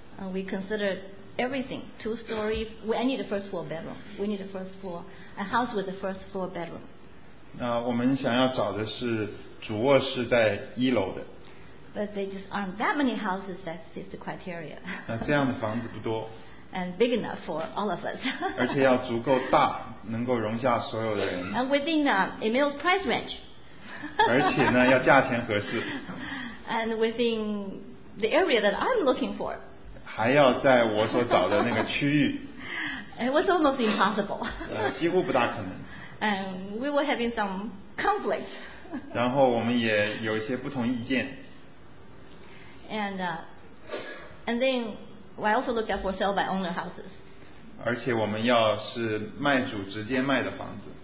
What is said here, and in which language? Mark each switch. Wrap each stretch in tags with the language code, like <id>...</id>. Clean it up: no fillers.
<en>We considered everything, two-story. I need a first-floor bedroom. We need a first-floor, a house with a first-floor bedroom.</en> <zh>那我们想要找的是主卧室在一楼的。</zh> <en>But there just aren't that many houses that fit the criteria.</en> <zh>那这样的房子不多。</zh> <en>And big enough for all of us.</en> <zh>而且要足够大，能够容下所有的人。</zh> <en>And within Emil's price range.</en> <zh>而且呢，要价钱合适。</zh> <en>And within the area that I'm looking for.</en> <zh>还要在我所找的那个区域。</zh> <en>It was almost impossible.</en> <zh>几乎不大可能。</zh> <en>And we were having some conflicts.</en> <zh>然后我们也有一些不同意见。</zh> <en>And then I also looked at for sale by owner houses.</en> <zh>而且我们要是卖主直接卖的房子。</zh>